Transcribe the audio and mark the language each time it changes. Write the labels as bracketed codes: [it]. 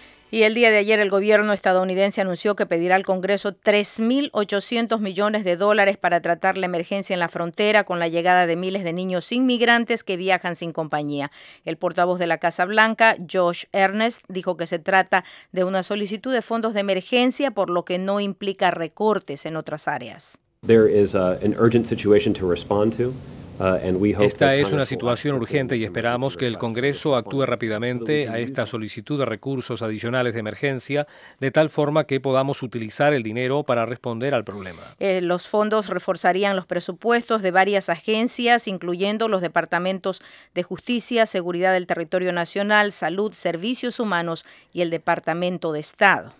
[es] Y el día de ayer el gobierno estadounidense anunció que pedirá al Congreso 3.800 millones de dólares para tratar la emergencia en la frontera con la llegada de miles de niños inmigrantes que viajan sin compañía. El portavoz de la Casa Blanca, Josh Earnest, dijo que se trata de una solicitud de fondos de emergencia, por lo que no implica recortes en otras áreas. [en] There is an urgent situation to respond to. [es] Esta es una situación urgente y esperamos que el Congreso actúe rápidamente a esta solicitud de recursos adicionales de emergencia, de tal forma que podamos utilizar el dinero para responder al problema. Los fondos reforzarían los presupuestos de varias agencias, incluyendo los departamentos de Justicia, Seguridad del Territorio Nacional, Salud, Servicios Humanos y el Departamento de Estado.